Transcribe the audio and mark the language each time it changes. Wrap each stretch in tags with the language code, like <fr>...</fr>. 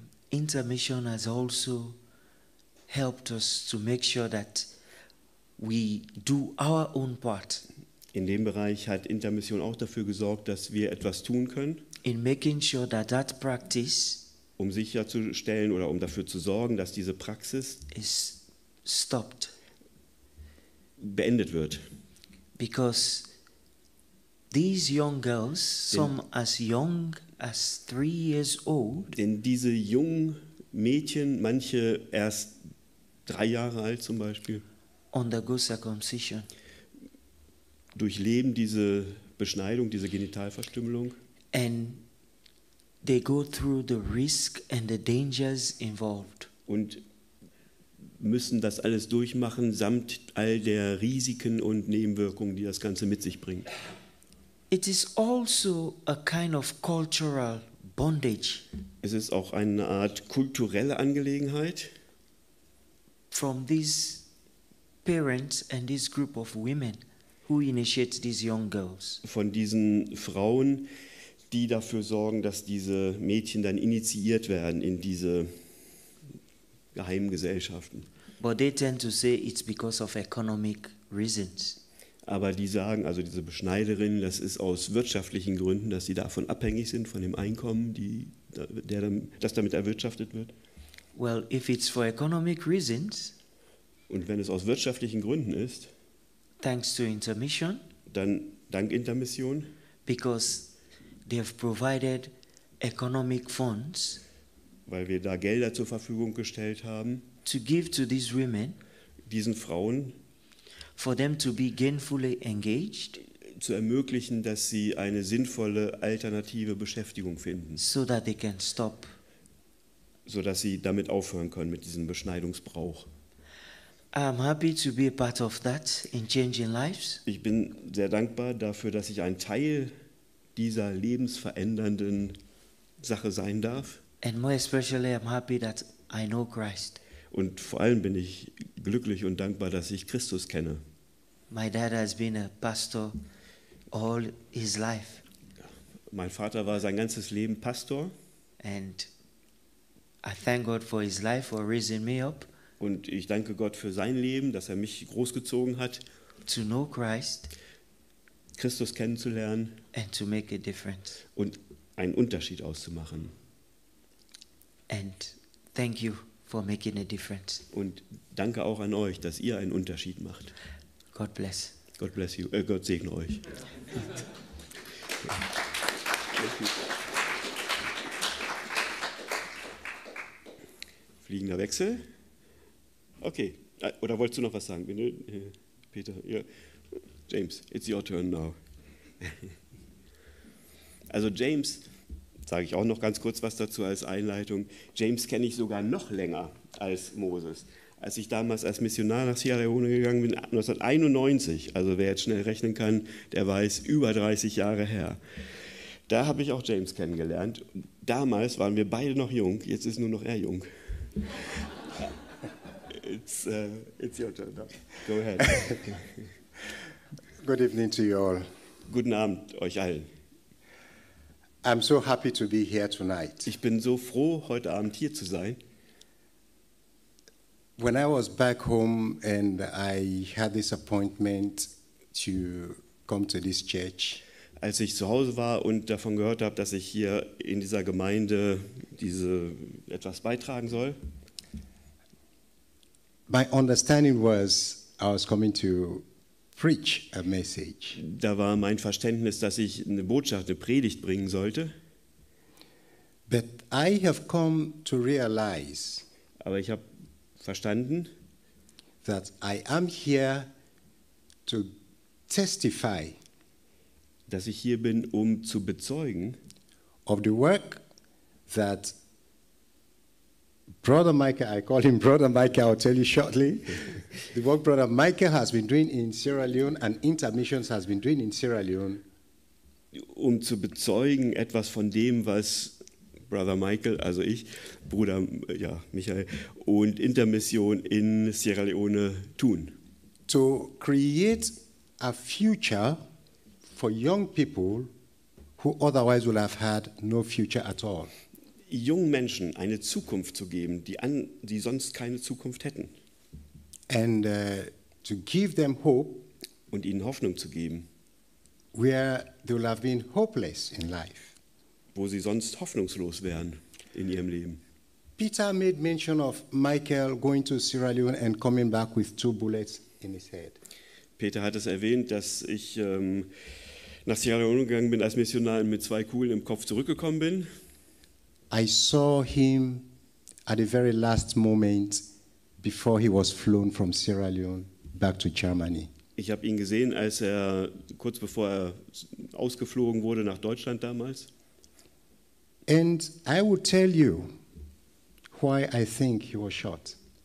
<en>Intermission has also helped us to make sure that we do our own part.</en> <de>In dem Bereich hat Intermission auch dafür gesorgt, dass wir etwas tun können.</de> <en>In making sure that that practice,</en> <de>um sicherzustellen oder um dafür zu sorgen, dass diese Praxis</de> <en>is stopped,</en> <de>beendet wird.</de> <en>Because these young girls, some as young as 3 years old,</en> <de>denn diese jungen Mädchen, manche erst 3 Jahre alt zum Beispiel,</de> <en>undergo circumcision.</en> <de>Durchleben diese Beschneidung, diese Genitalverstümmelung.</de> <en>And they go through the risk and the dangers involved.</en> <de>Und müssen das alles durchmachen samt all der Risiken und Nebenwirkungen, die das Ganze mit sich bringt.</de> <en>It is also a kind of cultural bondage.</en> <de>Es ist auch eine Art kulturelle Angelegenheit.</de> <en>From these parents and this group of women who initiate these young girls.</en> <de>Von diesen Frauen, die dafür sorgen, dass diese Mädchen dann initiiert werden in diese geheimen Gesellschaften.</de> <en>But they tend to say it's because of economic reasons.</en> <de>Aber die sagen, also diese Beschneiderinnen, das ist aus wirtschaftlichen Gründen, dass sie davon abhängig sind, von dem Einkommen, das damit erwirtschaftet wird.</de> <en>Well, if it's for economic reasons,</en> <de>und wenn es aus wirtschaftlichen Gründen ist,</de> <en>thanks to intermission,</en> <de>dann dank Intermission,</de> <en>because they have provided economic funds,</en> <de>weil wir da Gelder zur Verfügung gestellt haben,</de> <en>to give to these women,</en> <de>diesen Frauen,</de> <en>for them to be gainfully engaged,</en> <de>zu ermöglichen, dass sie eine sinnvolle alternative Beschäftigung finden,</de> <en>so that they can stop,</en> <de>so dass sie damit aufhören können mit diesem Beschneidungsbrauch.</de> <en>I'm happy to be a part of that in changing lives.</en> <de>Ich bin sehr dankbar dafür, dass ich ein Teil dieser lebensverändernden Sache sein darf.</de> <en>And more especially, I'm happy that I know Christ.</en> <de>Und vor allem bin ich glücklich und dankbar, dass ich Christus kenne.</de> <en>My dad has been a pastor all his life.</en> <de>Mein Vater war sein ganzes Leben Pastor.</de> <en>And I thank God for his life for raising me up.</en> <de>Und ich danke Gott für sein Leben, dass er mich großgezogen hat,</de> <en>to know Christ,</en> <de>Christus kennenzulernen,</de> <en>and to make a difference,</en> <de>und einen Unterschied auszumachen.</de> <en>And thank you for making a difference.</en> <de>Und danke auch an euch, dass ihr einen Unterschied macht.</de> <en>God bless. God bless you.</en> <de>Gott segne euch. Fliegender Wechsel. Okay, oder wolltest du noch was sagen? Peter, ja.</de> <en>James, it's your turn now.</en> <de>Also James, sage ich auch noch ganz kurz was dazu als Einleitung. James kenne ich sogar noch länger als Moses. Als ich damals als Missionar nach Sierra Leone gegangen bin, 1991, also wer jetzt schnell rechnen kann, der weiß, über 30 Jahre her. Da habe ich auch James kennengelernt. Damals waren wir beide noch jung, jetzt ist nur noch er jung.</de> <en>It's your turn. Go ahead. Good evening to you all.</en> <de>Guten Abend euch allen.</de> <en>I'm so happy to be here tonight.</en> <de>Ich bin so froh, heute Abend hier zu sein.</de> <en>When I was back home and I had this appointment to come to this church.</en> <de>Als ich zu Hause war und davon gehört habe, dass ich hier in dieser Gemeinde etwas beitragen soll.</de> <en>My understanding was I was coming to preach a message.</en> <de>Da war mein Verständnis, dass ich eine Botschaft, eine Predigt bringen sollte.</de> <en>But I have come to realize.</en> <de>Aber ich habe verstanden,</de> <en>that I am here to testify.</en> <de>Dass ich hier bin, um zu bezeugen.</de> <en>Of the work that Brother Michael, I call him Brother Michael, I'll tell you shortly. The work Brother Michael has been doing in Sierra Leone and Intermissions has been doing in Sierra Leone.</en> <de>Um zu bezeugen etwas von dem, was Brother Michael, also ich, Bruder ja, Michael und Intermission in Sierra Leone tun.</de> <en>To create a future for young people who otherwise would have had no future at all.</en> <de>Jungen Menschen eine Zukunft zu geben, die sonst keine Zukunft hätten.</de> <en>And to give them hope,</en> <de>und ihnen Hoffnung zu geben,</de> <en>where they will have been hopeless in life,</en> <de>wo sie sonst hoffnungslos wären in ihrem Leben.</de> <en>Peter made mention of Michael going to Sierra Leone and coming back with two bullets in his head.</en> <de>Peter hat es erwähnt, dass ich nach Sierra Leone gegangen bin als Missionar und mit zwei Kugeln im Kopf zurückgekommen bin.</de> <en>I saw him at the very last moment before he was flown from Sierra Leone back to Germany.</en> <de>Ich habe ihn gesehen, als er kurz bevor er ausgeflogen wurde nach Deutschland damals.</de> <en>And I will tell you why I think he was shot.</en>